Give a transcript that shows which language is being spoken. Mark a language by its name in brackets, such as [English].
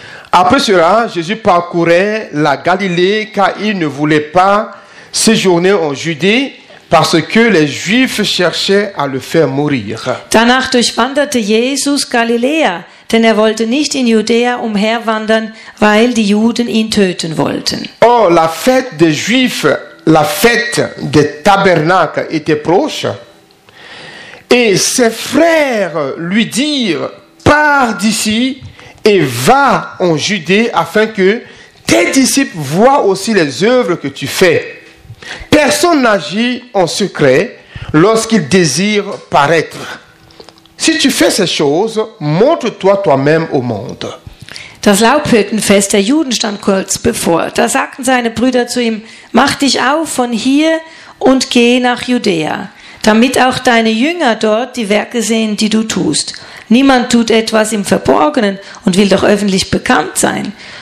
[French] Après cela, Jésus parcourait la Galilée car il ne voulait pas séjourner en Judée parce que les Juifs cherchaient à le faire mourir. [German] Danach durchwanderte Jesus Galiläa, denn er wollte nicht in Judäa umherwandern, weil die Juden ihn töten wollten. [French] Oh, la fête des Juifs La fête des tabernacles était proche Et ses frères lui dirent, pars d'ici et va en Judée afin que tes disciples voient aussi les œuvres que tu fais. Personne n'agit en secret lorsqu'il désire paraître. Si tu fais ces choses, montre-toi toi-même au monde. [German] Das Laubhüttenfest der Juden stand kurz bevor. Da sagten seine Brüder zu ihm, mach dich auf von hier und geh nach Judäa, damit auch deine Jünger dort die Werke sehen, die du tust. Niemand tut etwas im Verborgenen und will doch öffentlich bekannt sein.